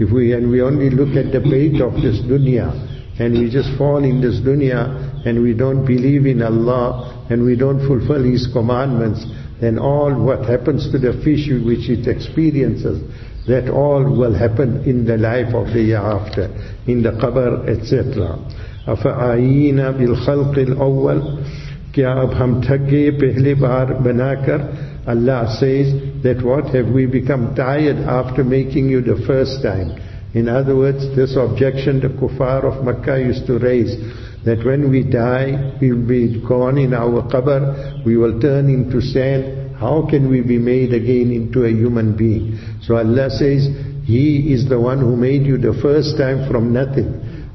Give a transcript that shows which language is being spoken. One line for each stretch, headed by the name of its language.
English: If we only look at the bait of this dunya, and we just fall in this dunya, and we don't believe in Allah, and we don't fulfill His commandments, then all what happens to the fish which it experiences, that all will happen in the life of the year after, in the qabr, etc.
Arabic: أَفَعَيِّنَا بِالْخَلْقِ الْأَوَّلِ
Urdu: کیا اب ہم تھک گئے پہلے بار بنا کر.
English: Allah says that what, have we become tired after making you the first time? In other words, this objection the kuffar of Mecca used to raise, that when we die, we'll be gone in our qabr, we will turn into sand. How can we be made again into a human being? So Allah says, He is the one who made you the first time from nothing.